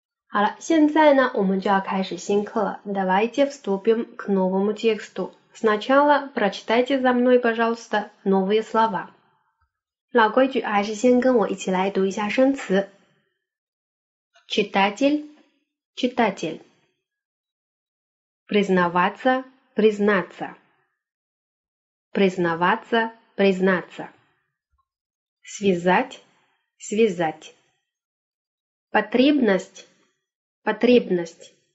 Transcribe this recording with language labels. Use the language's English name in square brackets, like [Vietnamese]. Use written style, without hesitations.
[Chinese] 好了，现在呢，我们就要开始新课了。 [Russian] Давайте вступим к новому тексту. Сначала прочитайте за мной, пожалуйста, новые слова. [Chinese] 老规矩，还是先跟我一起来读一下生词。 [Russian] Читатель, читатель. Признаваться, признаться. Признаваться, признаться. Связать, связать. Потребность, потребность.